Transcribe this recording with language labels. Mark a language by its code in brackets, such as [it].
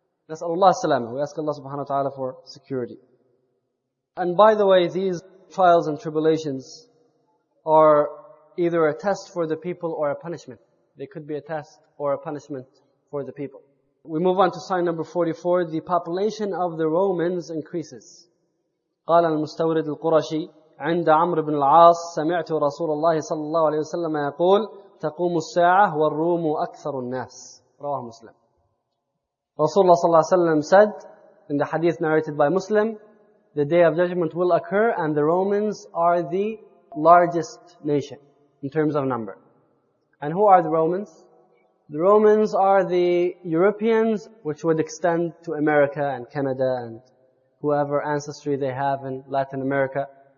[ar] نسأل الله السلامة. [en] We ask Allah subhanahu wa ta'ala for security. And by the way, these trials and tribulations are either a test for the people or a punishment. They could be a test or a punishment for the people. We move on to sign number 44. The population of the Romans increases. [ar] قال المستورد القرشي عند عمرو بن العاص سمعت رسول الله صلى الله عليه وسلم يقول تقوم الساعة والروم أكثر الناس. رواه مسلم. [en] Rasulullah [ar] صلى الله عليه وسلم [en] said in the hadith narrated by Muslim, the day of judgment will occur and the Romans are the largest nation in terms of number. And who are the Romans? The Romans are the Europeans, which would extend to America and Canada and whoever ancestry they have in Latin America.